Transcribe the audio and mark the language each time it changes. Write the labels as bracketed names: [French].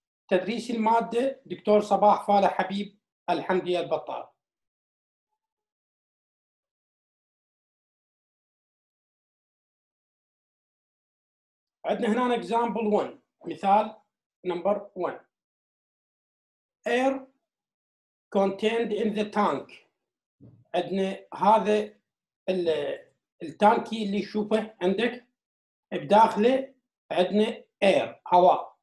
[Arabic] تدريس المادة دكتور صباح فالح حبيب الحمدي البطار. عندنا هنا example 1، مثال number 1. [English] Air contained in the tank. [Arabic] عندنا هذا التانكي اللي شوفه عندك، بداخله عندنا air، هواء.